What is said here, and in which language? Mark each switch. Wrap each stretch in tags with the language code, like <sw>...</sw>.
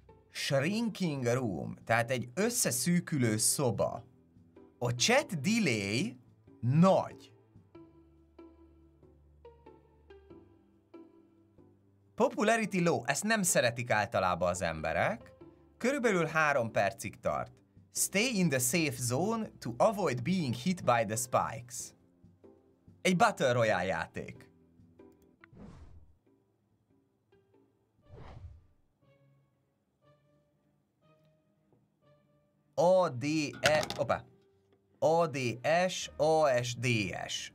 <en>Shrinking room,</en> <hu>tehát egy összeszűkülő szoba. A chat delay nagy.</hu> <en>Popularity low.</en> <hu>Ezt nem szeretik általában az emberek. Körülbelül 3 percig tart.</hu> <en>Stay in the safe zone to avoid being hit by the spikes.</en> <hu>Egy Battle Royale játék. ADE, opa, ADS, ASDS.</hu>